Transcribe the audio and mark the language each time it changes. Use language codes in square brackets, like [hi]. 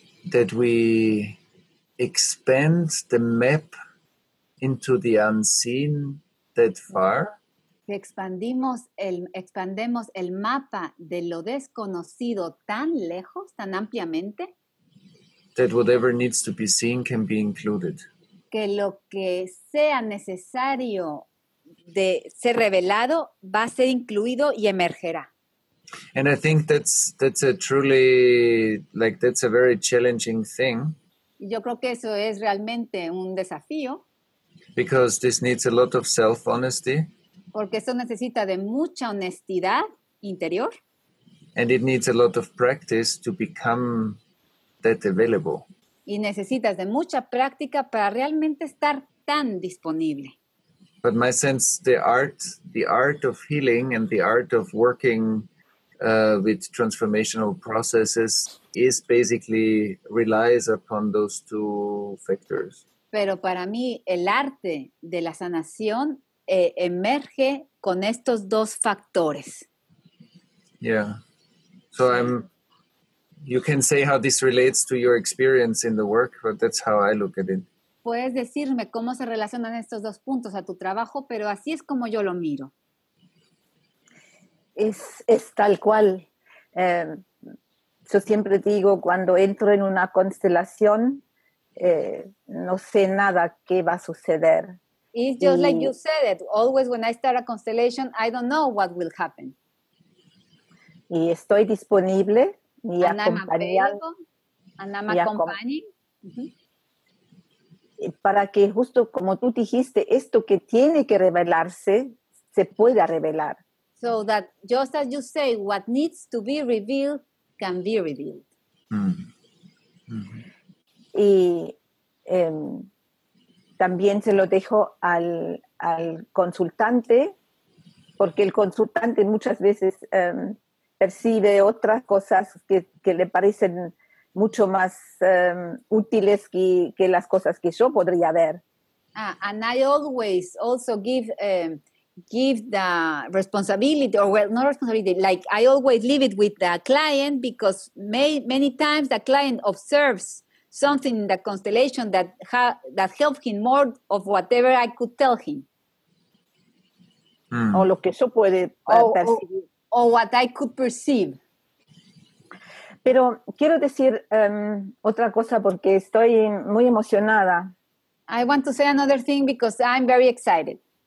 [en] That we expand the map into the unseen that far. [es] Que expandemos el mapa de lo desconocido tan lejos, tan ampliamente. [en] That whatever needs to be seen can be included. [es] Que lo que sea necesario de ser revelado va a ser incluido y emergerá. [en] And I think that's a truly, like, that's a very challenging thing. [es] Yo creo que eso es realmente un desafío. [en] Because this needs a lot of self-honesty. [es] Porque eso necesita de mucha honestidad interior. [en] And it needs a lot of practice to become that available. [es] Y necesitas de mucha práctica para realmente estar tan disponible. [en] But my sense, the art of healing and the art of working with transformational processes is basically relies upon those two factors. [es] Pero para mí el arte de la sanación emerge con estos dos factores. Yeah. [en] So you can say how this relates to your experience in the work, but that's how I look at it. [es] Puedes decirme cómo se relacionan estos dos puntos a tu trabajo, pero así es como yo lo miro. Es tal cual. Yo siempre digo, cuando entro en una constelación, no sé nada qué va a suceder. [en] It's just like you said it. Always when I start a constellation, I don't know what will happen. [es] Y estoy disponible y [en] accompanying. [es] Para que justo como tú dijiste, esto que tiene que revelarse, se pueda revelar. [en] So that just as you say, what needs to be revealed can be revealed. Mm-hmm. [es] Y también se lo dejo al consultante, porque el consultante muchas veces percibe otras cosas que le parecen mucho más útiles que las cosas que yo podría ver. [en] And I always also give the responsibility, or well, not responsibility, like I always leave it with the client, because many times the client observes something in the constellation that helped him more of whatever I could tell him. [es] Mm. O lo que yo puede percibir. [en] O what I could perceive. [es] Pero quiero decir otra cosa, porque estoy muy emocionada. [en] I want to say another thing because I'm very excited.